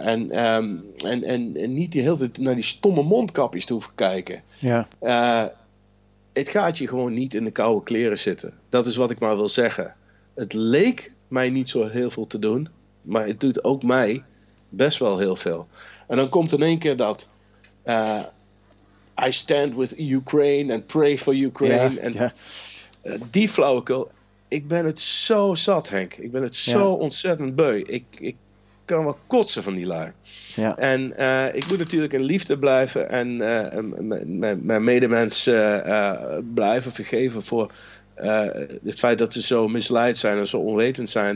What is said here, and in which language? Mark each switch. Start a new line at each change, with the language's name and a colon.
Dutch: En niet de hele tijd naar die stomme mondkapjes te hoeven kijken. Ja. Het gaat je gewoon niet in de koude kleren zitten. Dat is wat ik maar wil zeggen. Het leek mij niet zo heel veel te doen, maar het doet ook mij best wel heel veel. En dan komt in één keer dat...
English: I stand with Ukraine and pray for Ukraine.
Dutch: Ja,
English: and,
Dutch: ja. Die flauwekul... Ik ben het zo zat, Henk. Ik ben het zo ontzettend beu. Ik kan wel kotsen van die lui. Ja. En ik moet natuurlijk in liefde blijven en mijn medemens blijven vergeven voor het feit dat ze zo misleid zijn en zo onwetend zijn.